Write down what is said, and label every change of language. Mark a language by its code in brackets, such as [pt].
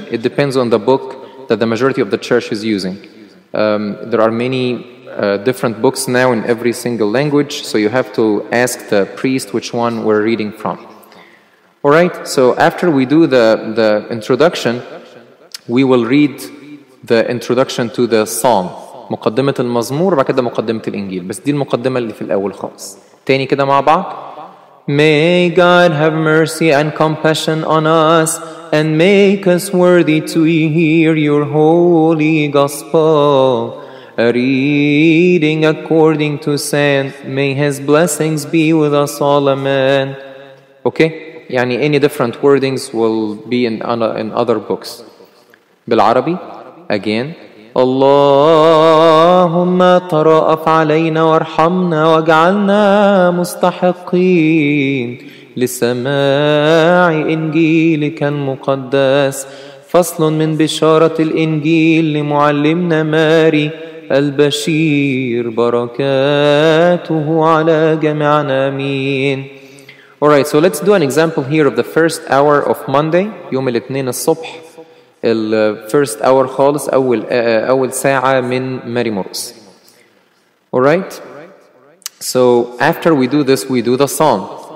[en] It depends on the book that the majority of the church is using. There are many different books now in every single language, so you have to ask the priest which one we're reading from. All right, so after we do the introduction, we will read the introduction to the psalm. [ar] مقدمة المزمور بعد كده مقدمة الإنجيل بس دي المقدمة اللي في الأول خالص. تاني كده مع بعض. [en] May God have mercy and compassion on us and make us worthy to hear your holy gospel. A reading according to sand, may his blessings be with us all. Amen. Okay? [ar] يعني [en] any different wordings will be in other books. [ar] بالعربي [en] again. [ar] اللهم ترأف علينا وارحمنا واجعلنا مستحقين لسماع إنجيلك المقدس فصل من بشارة الإنجيل لمعلمنا ماري البشير بركاته على جميعنا آمين. [en] All right, so let's do an example here of the first hour of Monday, [ar] يوم الاثنين الصبح, [en] the first hour [ar] خالص, أول ساعة من ماري مرقس. [en] All right? So after we do this, we do the psalm.